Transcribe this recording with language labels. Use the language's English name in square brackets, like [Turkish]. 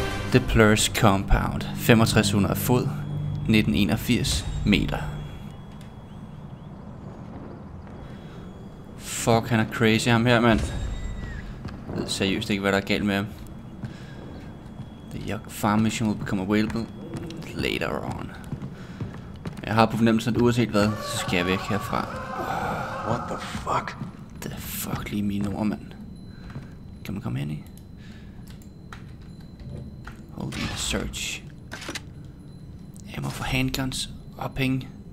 [Danish] The Plurs Compound, 6500 fod, 1981 meter. Fuck, han er crazy ham her, mand. Jeg ved seriøst ikke, hvad der er galt med ham. [English] The Yuck Farm Mission will become available later on. [Danish] Jeg har på fornemmelsen, at uanset hvad, så skal jeg væk herfra. [English] What the fuck? [Danish] The fuck lige mine ord, mand. Kan man komme ind i? [English] Holding a search. Ammo for handguns. [Danish] Og penge.